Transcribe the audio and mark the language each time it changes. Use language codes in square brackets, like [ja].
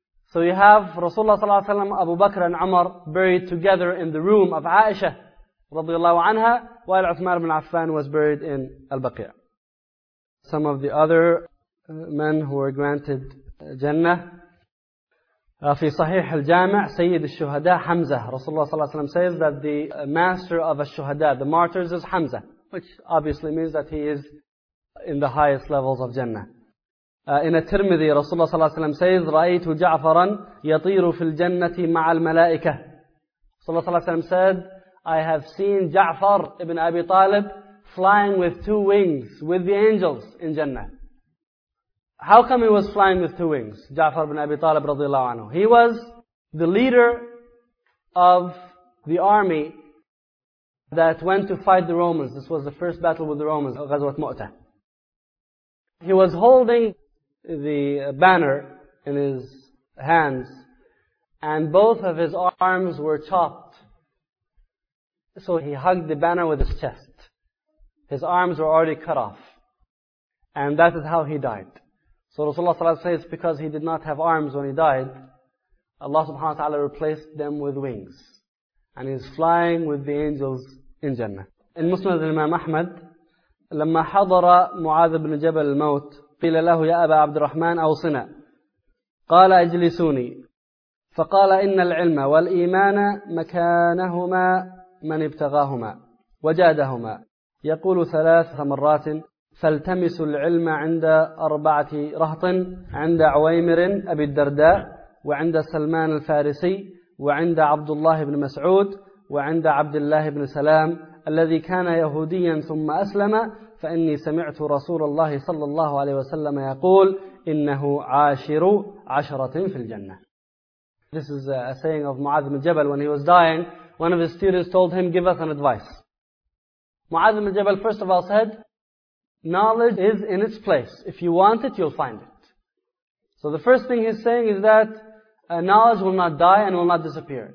[en] So you have Rasulullah ﷺ, Abu Bakr and Umar buried together in the room of Aisha radiallahu anha, while Uthman ibn Affan was buried in Al-Baqi'. Some of the other men who were granted Jannah. [ar] في صحيح الجامع سيد الشهداء حمزة. [en] Rasulullah [ar] صلى الله عليه وسلم [en] says that the master of الشهداء, the martyrs, is حمزة, which obviously means that he is in the highest levels of Jannah. In a Tirmidhi, Rasulullah [ar] صلى الله عليه وسلم says, رأيت جعفرا يطير في الجنة مع الملائكة. [en] Rasulullah [ar] صلى الله عليه وسلم [en] said, I have seen Ja'far ibn Abi Talib flying with two wings with the angels in Jannah. How come he was flying with two wings? Ja'far ibn Abi Talib radiallahu anhu. He was the leader of the army that went to fight the Romans. This was the first battle with the Romans, Ghazwat Mu'tah. He was holding the banner in his hands, and both of his arms were chopped. So he hugged the banner with his chest. His arms were already cut off. And that is how he died. So Rasulullah ﷺ says, because he did not have arms when he died, Allah subhanahu wa ta'ala replaced them with wings. And he's flying with the angels in Jannah. In Musnad al-Imam Ahmad, [ar] لما حضر معاذ بن جبل الموت قيل له يا أبا عبد الرحمن أوصنا قال أجلسوني فقال إن العلم والإيمان مكانهما من ابتغاهما وجادهما يقول ثلاث مرات فالتمسوا العلم عند أربعة رهط عند عويمر أبي الدرداء وعند سلمان الفارسي وعند عبد الله بن مسعود وعند عبد الله بن سلام الذي كان يهوديا ثم أسلم فإني سمعت رسول الله صلى الله عليه وسلم يقول إنه عاشر عشرة في الجنة. [en] This is a saying of Mu'adh ibn Jabal. When he was dying, one of his students told him, give us an advice. Mu'adh ibn Jabal first of all said, knowledge is in its place. If you want it, you'll find it. So the first thing he's saying is that knowledge will not die and will not disappear.